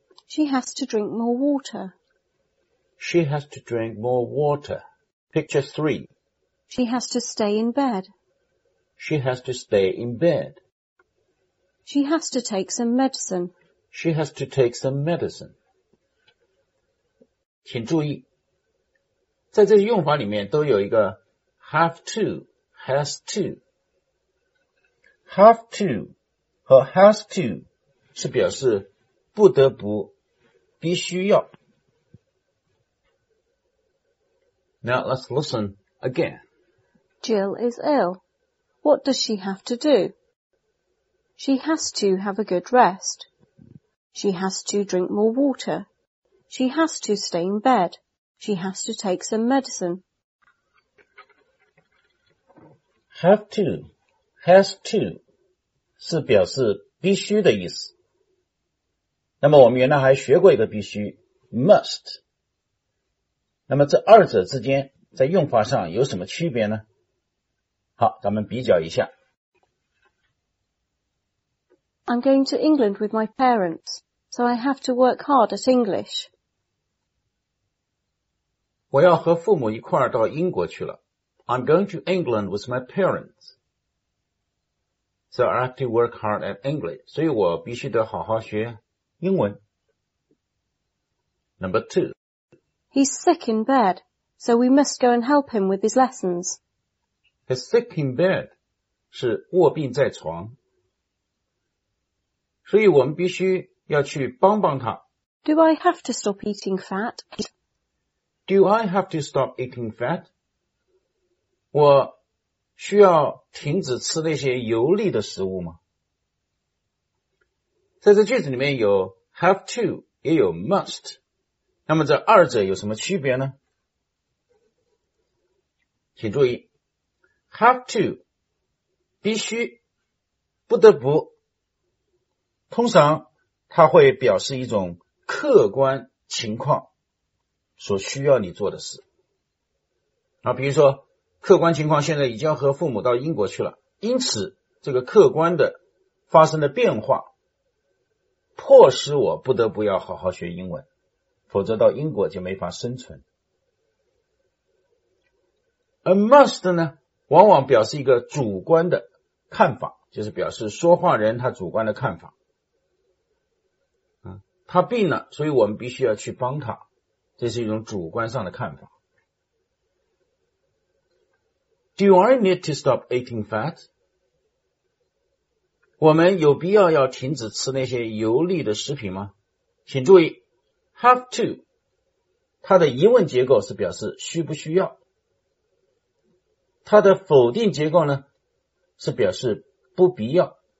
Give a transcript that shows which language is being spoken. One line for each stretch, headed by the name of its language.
English: She has to drink more water. She has to drink more water. Picture 3. She has to stay in bed. She has to stay in bed. She has to take some medicine. She has to take some medicine.
Chinese: 请注意，在这个用法里面都有一个 have to, has to。 Have to 和 has to 是表示不得不、必须要。
English: Now let's listen again. Jill is ill. What does she have to do? She has to have a good rest. She has to drink more water. She has to stay in bed. She has to take some medicine.
Chinese: Have to, has to 是表示必须的意思。那么我们原来还学过一个必须 must。那么这二者之间在用法上有什么区别呢？好，咱们比较一下。
English: I'm going to England with my parents, so I have to work hard at English.
Chinese: 我要和父母一块儿到英国去了。
English: I'm going to England with my parents, so I have to work hard at English.
Chinese: 所以我必须得好好学英文。
English: Number two. He's sick in bed, so we must go and help him with his lessons. He's sick in bed,
Chinese: 是卧病在床。所以我们必须要去帮帮他。
English: Do I have to stop eating fat? Do I have to stop eating fat?
Chinese: 我需要停止吃那些油腻的食物吗？在这句子里面有 have to, 也有 must。那么这二者有什么区别呢？请注意 ,have to, 必须不得不。通常它会表示一种客观情况所需要你做的事。啊，比如说客观情况现在已经要和父母到英国去了，因此这个客观的发生的变化迫使我不得不要好好学英文，否则到英国就没法生存。 A must 呢，往往表示一个主观的看法，就是表示说话人他主观的看法。他病了，所以我们必须要去帮他，这是一种主观上的看法。
English: Do I need to stop eating fat?
Chinese: 我们有必要要停止吃那些油腻的食品吗？请注意 ,have to, 它的疑问结构是表示需不需要。它的否定结构呢，是表示不必要。